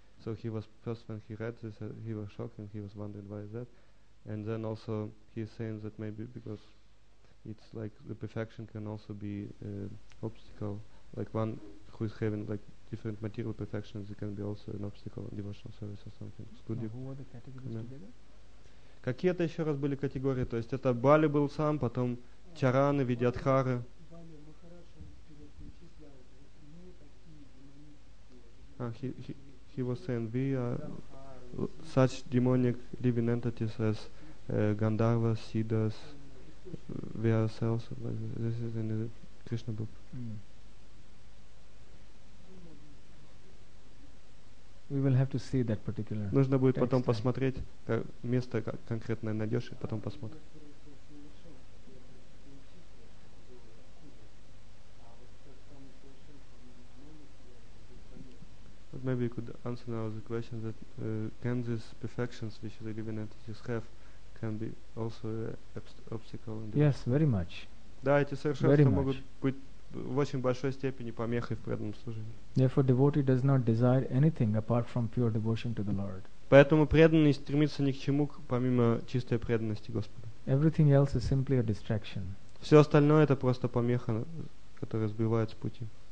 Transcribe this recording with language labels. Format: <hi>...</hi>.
<en>So he was, first when he read this, he was shocked and he was wondering why is that. And then also he's saying that maybe because it's like the perfection can also be obstacle, like one who is having like different material perfections, it can be also an obstacle in devotional service or something. Could you? Who were the categories together?</en> <ru>Какие-то еще раз были категории, то есть это Бали был сам, потом Чараны, Видядхары.</ru> <en>He was saying we are such demonic living entities as Gandharva, Siddhas, we ourselves, like this is in the Krishna book. We will have to see that particular.</en> <ru>Нужно будет потом посмотреть, как место конкретное найдешь и потом посмотришь.</ru> <en>But maybe you could answer now the question that can these perfections which the living entities have can be also obstacle in the Yes, very much.</en> <ru>Да, эти совершенства могут быть в очень большой степени помехой в преданном служении.</ru> <en>Therefore, devotee does not desire anything apart from pure devotion to the Lord.</en> <ru>Поэтому преданный стремится ни к чему, помимо чистой преданности Господу.</ru> <en>Everything else is simply a distraction.</en> <ru>Все остальное это просто помеха, которая сбивает с пути.</ru>